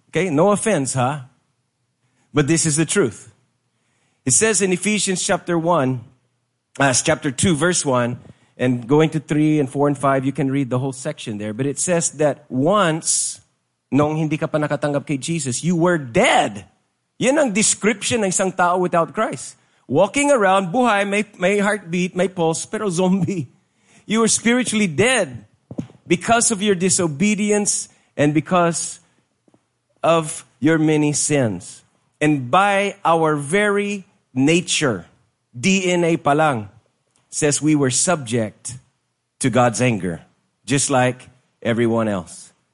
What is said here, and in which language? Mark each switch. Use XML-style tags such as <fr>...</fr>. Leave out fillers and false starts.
<en>Okay, no offense, huh? But this is the truth. It says in Ephesians chapter 1, chapter 2, verse 1, and going to 3 and 4 and 5, you can read the whole section there. But it says that once,</en> <tl>nung hindi ka pa nakatanggap kay Jesus,</tl> <en>you were dead.</en> <tl>Yan ang description ng isang tao without Christ.</tl> <en>Walking around,</en> <tl>buhay, may heartbeat, may pulse, pero zombie.</tl> <en>You were spiritually dead because of your disobedience and because of your many sins. And by our very nature, DNA palang, says we were subject to God's anger, just like everyone else.</en>